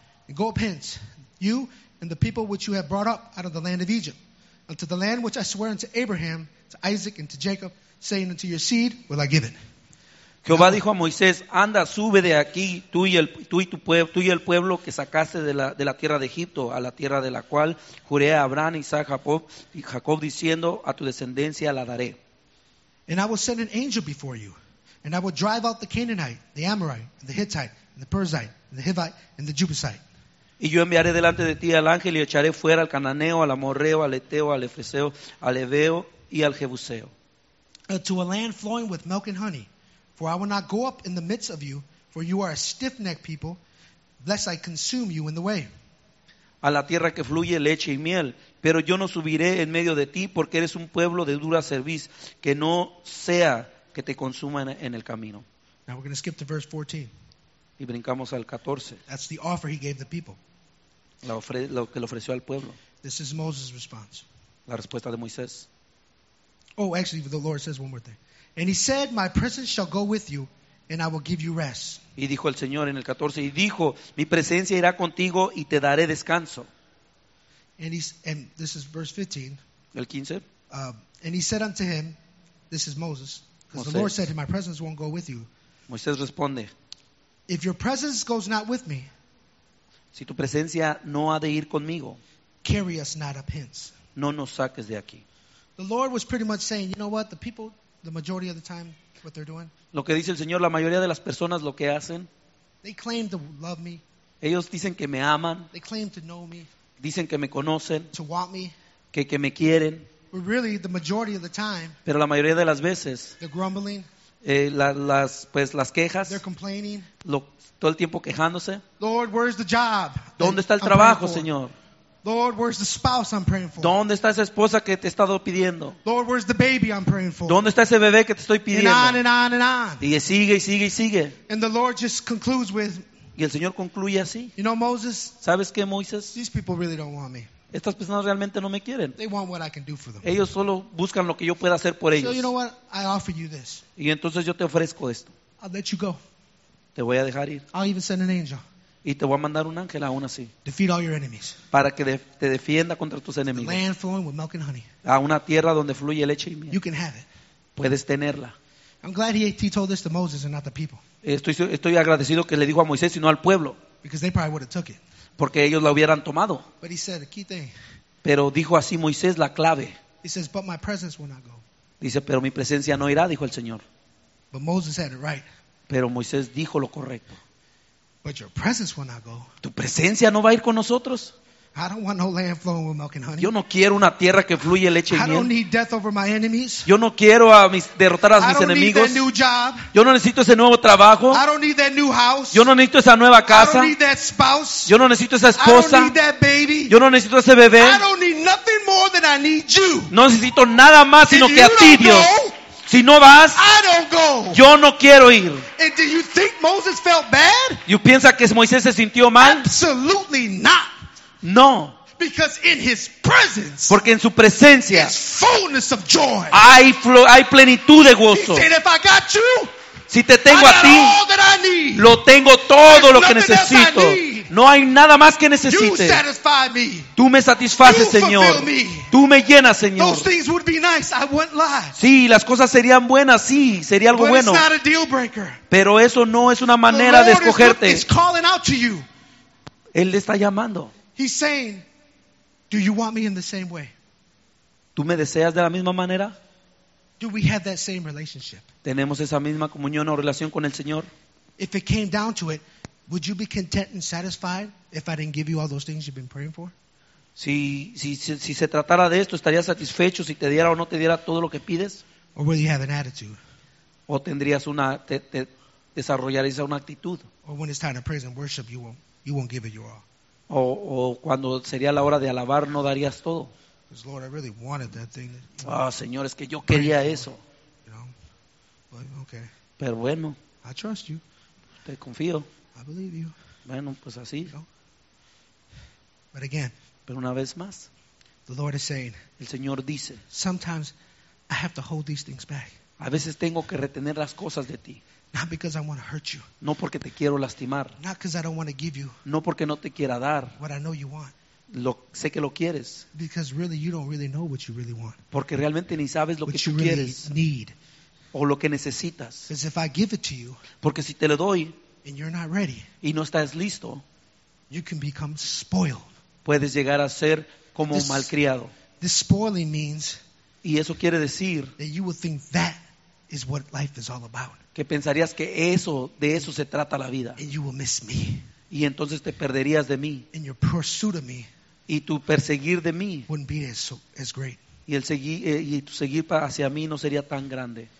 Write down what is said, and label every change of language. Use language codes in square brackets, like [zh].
[en] And go up hence, you and the people which you have brought up out of the land of Egypt, unto the land which I swear unto Abraham, to Isaac, and to Jacob, saying unto your seed will I give it. [es] Jehová dijo a Moisés, anda, sube de aquí, tú y el pueblo que sacaste de la tierra de Egipto, a la tierra de la cual juré a Abraham, Isaac, Jacob, diciendo, a tu descendencia la daré. [en] And I will send an angel before you, and I will drive out the Canaanite, the Amorite, and the Hittite, and the Perizzite, and the Hivite, and the Jebusite. [es] Y yo enviaré delante de ti al ángel y echaré fuera al cananeo, al amorreo, al eteo, al efeseo, al heveo y al jebuseo. [en] To a land flowing with milk and honey, for I will not go up in the midst of you, For you are a stiff-necked people, lest I consume you in the way. [es] A la tierra que fluye leche y miel, pero yo no subiré en medio de ti porque eres un pueblo de dura cerviz, que no sea que te consuma en el camino. [en] Now we're going to skip to verse 14. [es] Y brincamos al 14. [en] That's the offer he gave the people. [es] Lo que le ofreció al pueblo. [en] This is Moses' response. [es] La respuesta de Moisés. [en] Oh, actually, the Lord says one more thing. And he said, my presence shall go with you, and I will give you rest. [es] Y dijo el Señor en el 14, y dijo, mi presencia irá contigo y te daré descanso. [en] And, this is verse 15. [es] El 15. [en] And he said unto him, this is Moses, because the Lord said, my presence won't go with you. [es] Moisés responde, [en] if your presence goes not with me, [es] si tu presencia no ha de ir conmigo, [en] carry us not up hence. [es] No nos saques de aquí. [en] The Lord was pretty much saying, you know what, the people, the majority of the time, what they're doing. [es] Lo que dice el Señor, la mayoría de las personas lo que hacen. [en] They claim to love me. [es] Ellos dicen que me aman. [en] They claim to know me. [es] Dicen que me conocen. [en] To want me. [es] Que me quieren. [en] But really, the majority of the time. [es] Pero la mayoría de las veces. [en] They're grumbling. [es] Las quejas. [en] They're complaining. [es] Todo el tiempo quejándose. [en] Lord, where's the job? [es] ¿Dónde está el trabajo, Señor? [en] Lord, where's the spouse I'm praying for? [es] ¿Dónde está esa esposa que te he estado pidiendo? [en] Lord, where's the baby I'm praying for? [es] ¿Dónde está ese bebé que te estoy pidiendo? [en] And on and on and on. [es] Y sigue y sigue y sigue. [en] And the Lord just concludes with, [es] y el Señor concluye así. [en] You know, Moses, [es] ¿sabes qué, Moisés? [en] These people really don't want me. [es] Estas personas realmente no me quieren. [en] They want what I can do for them. [es] Ellos solo buscan lo que yo pueda hacer por ellos. [en] So you know what? I offer you this. [es] Y entonces yo te ofrezco esto. [en] I'll let you go. [es] Te voy a dejar ir. [en] I'll even send an angel. [es] Y te voy a mandar un ángel aún así. [en] Defeat all your enemies. [es] Para que te defienda contra tus enemigos. [en] The land flowing with milk and honey. [es] A una tierra donde fluye leche y miel. [en] You can have it. [es] Puedes tenerla. [en] I'm glad he told this to Moses and not the people. [es] Estoy agradecido que le dijo a Moisés y no al pueblo. [en] Because they probably would have took it. [es] Porque ellos la hubieran tomado. [en] But he said, key thing. [es] Pero dijo así Moisés la clave. [en] He says, but my presence will not go. [es] Dice, pero mi presencia no irá, dijo el Señor. [en] But Moses had it right. [es] Pero Moisés dijo lo correcto. [en] But your presence will not go. [es] ¿Tu presencia no va a ir con nosotros? [en] I don't want no land flowing with milk and honey. [es] Yo no quiero una tierra que fluye leche y miel. [en] I don't need death over my enemies. [es] Yo no quiero derrotar a mis enemigos. [en] I don't need that new job. [es] Yo no necesito ese nuevo trabajo. [en] I don't need that new house. [es] Yo no necesito esa nueva casa. [en] I don't need that spouse. [es] Yo no necesito esa esposa. [en] I don't need that baby. [es] Yo no necesito ese bebé. [en] I don't need nothing more than I need you. [es] No necesito nada más sino que a ti, Dios. Si no vas, [en] I don't go. [es] Yo no quiero ir. [en] And do you think Moses felt bad? [es] ¿Y piensa que Moisés se sintió mal? [en] Absolutely not. [es] No. [en] Because in his presence, [es] porque en su presencia, [en] is fullness of joy. [es] Hay plenitud de gozo. [en] He said, if I got you, [es] si te tengo [en] I [es] a ti, [en] all that I need. [es] Lo tengo todo. [en] There's [es] lo que necesito. [en] Else I need. [es] No hay nada más que necesite. [en] You satisfy me. [es] Tú me satisfaces, [en] you [es] Señor. [en] Fulfill me. [es] Tú me llenas, Señor. [en] Those things would be nice. I wouldn't lie. [es] Sí, las cosas serían buenas. Sí, sería algo [en] but [es] bueno. [en] It's not a deal breaker. [es] Pero eso no es una manera [en] the Lord [es] de escogerte. [en] Is calling out to you. [es] Él le está llamando. [en] He's saying, do you want me in the same way? [es] ¿Tú me deseas de la misma manera? [en] Do we have that same relationship? [es] ¿Tenemos esa misma comunión o relación con el Señor? [en] If it came down to it, would you be content and satisfied if I didn't give you all those things you've been praying for? [es] Si se tratara de esto, ¿estarías satisfecho si te diera o no te diera todo lo que pides? [en] Or will you have an attitude? [es] ¿O tendrías una desarrollarías una actitud? [en] Or when it's time to praise and worship, you won't give it your all. [es] O cuando sería la hora de alabar, no darías todo. [en] Lord, I really wanted that thing that, you know, oh, [es] Señor, es que yo quería eso. [en] You know? But, okay. [es] Pero bueno, [en] I trust you. [es] Te confío. [en] I believe you. [es] Bueno, pues así. [en] You know? But again, [es] pero una vez más, [en] the Lord is saying, [es] el Señor dice, [en] sometimes I have to hold these things back. [es] A veces tengo que retener las cosas de ti. [en] Not because I want to hurt you. [es] No porque te quiero lastimar. [en] Not because I don't want to give you. [es] No porque no te quiera dar. [en] What I know you want. [es] Sé que lo quieres. [en] Because really you don't really know what you really want. [es] Porque realmente ni sabes lo [en] what [es] que [en] you [es] tú [en] really [es] quieres. [en] Need. [es] O lo que necesitas. [en] Because if I give it to you. [es] Porque si te lo doy. [en] And you're not ready. [es] Y no estás listo. [en] You can become spoiled. [es] Puedes llegar a ser como un malcriado. [en] This spoiling means. [es] Y eso quiere decir. [en] That you would think that is what life is all about. [es] Que pensarías que eso, de eso se trata la vida. [en] And you will miss me. [es] Y entonces te perderías de mí. [en] And your pursuit of me [es] y tu perseguir de mí [en] wouldn't be as great. [es] y el seguir y tu seguir hacia mí no sería tan grande.